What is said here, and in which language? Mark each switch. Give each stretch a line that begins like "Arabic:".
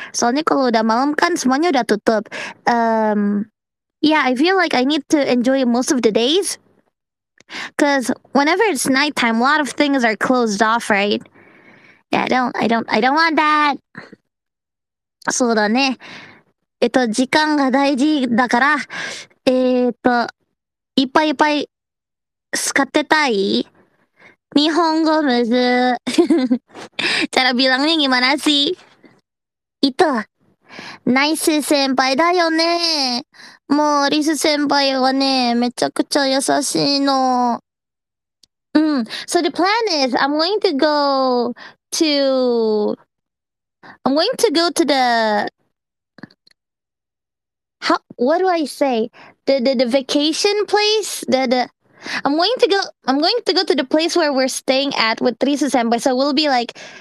Indonesian: Soalnya kalau udah malam kan semuanya udah tutup.
English: Yeah, I feel like I need to enjoy most of the days, because whenever it's nighttime, a lot of things are closed off, right? Yeah, I don't want that.
Japanese: そうだね。時間が大事だから、いっぱいいっぱい使ってたい。日本語むず。
Indonesian: cara bilangnya gimana sih? Itu.
Japanese: Nice 先輩だよね。もう、リス先輩はね、めちゃくちゃ優しいの。
English: So the plan is, I'm going to go to the, how, what do I say, the vacation place, I'm going to go to the place where we're staying at with Risa Senpai, so we'll be like